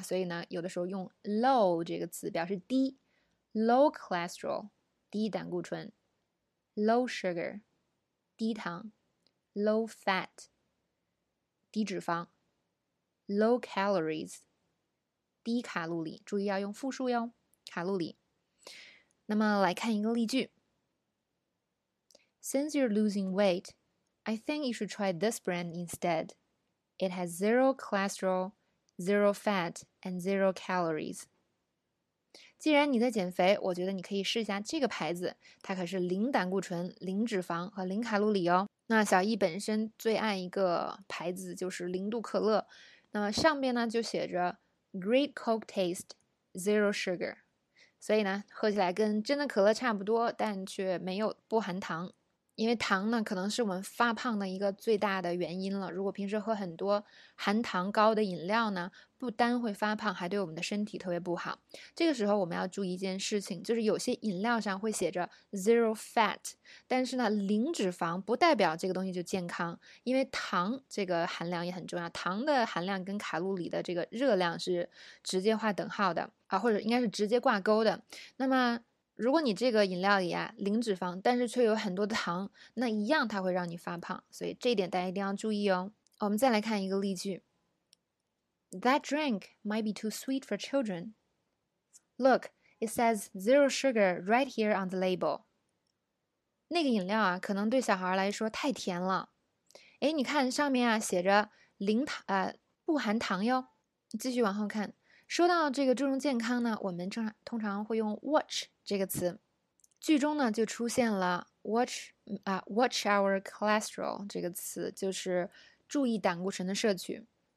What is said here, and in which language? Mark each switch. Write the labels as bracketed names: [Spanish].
[Chinese] 所以呢，有的时候用 low 这个词表示低， [English] low cholesterol。 [Chinese] 低胆固醇，low sugar，低糖，low fat，低脂肪，low calories，低卡路里。注意要用复数哟，卡路里。那么来看一个例句： [English] Since you're losing weight, I think you should try this brand instead. It has zero cholesterol, zero fat, and zero calories. [Chinese] 既然你在减肥，我觉得你可以试一下这个牌子，它可是零胆固醇、零脂肪和零卡路里哦。那小易本身最爱一个牌子就是零度可乐，那么上边呢就写着 [English] "Great Coke Taste, Zero Sugar"， [Chinese] 所以呢喝起来跟真的可乐差不多，但却没有不含糖，因为糖呢可能是我们发胖的一个最大的原因了。如果平时喝很多含糖高的饮料呢？不单会发胖，还对我们的身体特别不好。这个时候我们要注意一件事情，就是有些饮料上会写着 [English] zero fat， [Chinese] 但是呢，零脂肪不代表这个东西就健康，因为糖这个含量也很重要。糖的含量跟卡路里的这个热量是直接划等号的啊，或者应该是直接挂钩的。那么如果你这个饮料里啊零脂肪，但是却有很多糖，那一样它会让你发胖，所以这一点大家一定要注意哦。我们再来看一个例句。 [English] That drink might be too sweet for children. Look, it says zero sugar right here on the label. [Chinese] 那个饮料啊，可能对小孩来说太甜了。哎，你看上面啊写着零糖，不含糖哟。继续往后看，说到这个注重健康呢，我们通常会用 watch 这个词。剧中呢就出现了 [English] watch our cholesterol [Chinese] 这个词，就是注意胆固醇的摄取。